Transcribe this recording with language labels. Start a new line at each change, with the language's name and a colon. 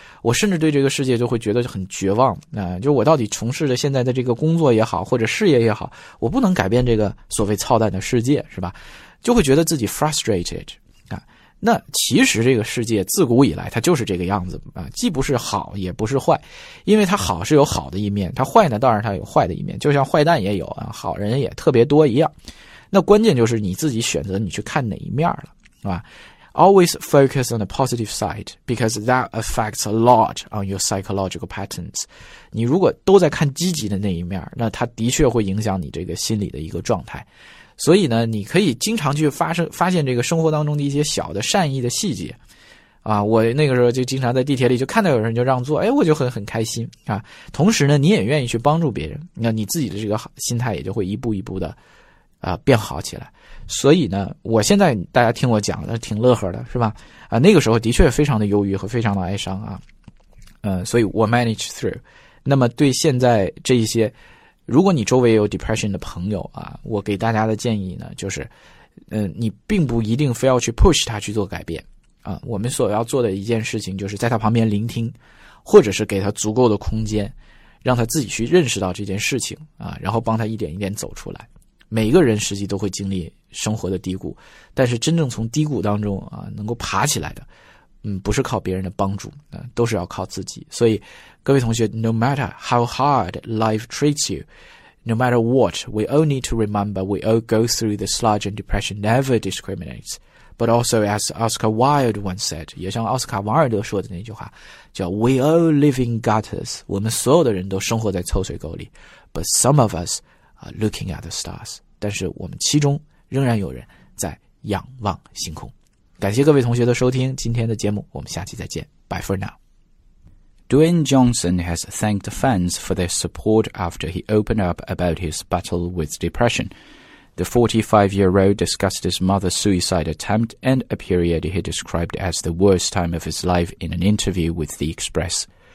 Chinese: 我甚至对这个世界就会觉得很绝望啊，就我到底从事的现在的这个工作也好，或者事业也好，我不能改变这个所谓操蛋的世界，是吧？就会觉得自己 frustrated 啊。那其实这个世界自古以来它就是这个样子啊，既不是好也不是坏，因为它好是有好的一面，它坏呢当然它有坏的一面，就像坏蛋也有啊，好人也特别多一样。那关键就是你自己选择你去看哪一面了，是吧？
English: Always focus on the positive side because that affects a lot on your psychological patterns.
Chinese: 你如果都在看积极的那一面，那它的确会影响你这个心理的一个状态。所以呢，你可以经常去发现这个生活当中的一些小的善意的细节。啊，我那个时候就经常在地铁里就看到有人就让座，哎，我就很开心啊。同时呢，你也愿意去帮助别人，那你自己的这个心态也就会一步一步的变好起来。所以呢，我现在大家听我讲的挺乐呵的，是吧？啊，那个时候的确非常的忧郁和非常的哀伤啊。所以我
English: manage through。
Chinese: 那么对现在这一些，如果你周围有 depression 的朋友啊，我给大家的建议呢，就是，你并不一定非要去 push 他去做改变啊。我们所要做的一件事情就是在他旁边聆听，或者是给他足够的空间，让他自己去认识到这件事情啊，然后帮他一点一点走出来。每个人实际都会经历生活的低谷，但是真正从低谷当中啊能够爬起来的，不是靠别人的帮助，都是要靠自己。所以各位同学，
English: No matter how hard life treats you, No matter what, we all need to remember we all go through the sludge and depression never discriminates. But also as Oscar Wilde once said,
Chinese: 也像奥斯卡王尔德说的那句话叫
English: We all live in gutters,
Chinese: 我们所有的人都生活在臭水沟里，
English: But some of us are looking at the stars,
Chinese: 但是我们其中仍然有人在仰望星空。感谢各位同学的收听今天的节目，我们下期再见。
English: Bye for now. Dwayne Johnson has thanked fans for their support after he opened up about his battle with depression. The 45-year-old discussed his mother's suicide attempt and a period he described as the worst time of his life in an interview with The Express.